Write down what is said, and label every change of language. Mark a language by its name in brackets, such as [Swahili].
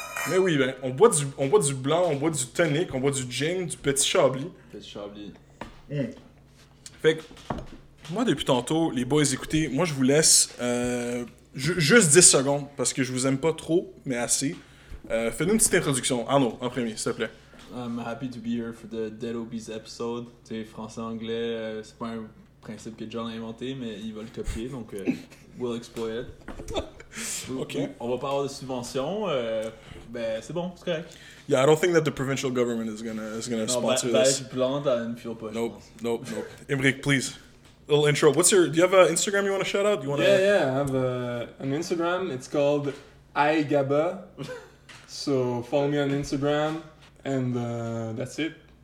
[French] Mais oui, ben, on boit du blanc, on boit du tonic, on boit du gin, du petit Chablis. Petit Chablis. Fait que moi, depuis tantôt, les boys, écoutez, moi je vous laisse juste 10 secondes, parce que je vous aime pas trop, mais assez. Fais-nous une petite introduction, Arnaud, en premier, s'il te plaît. [English] I'm happy to be here for the Dead Obies episode. [French] Tu sais, français-anglais, c'est pas un principe que John a inventé, mais il va le copier, donc [English] we'll exploit it. OK. [French] On va pas avoir de subvention, ben c'est bon, c'est correct. [English] Yeah, I don't think that the provincial government is gonna sponsor this. [French] Non, blanc, t'as une [English] fuel push. Nope. Emmerich, please. Little intro. What's your... Do you have an Instagram you want to shout out? Yeah, I have an Instagram. It's called iGaba. So follow me on Instagram, and that's it.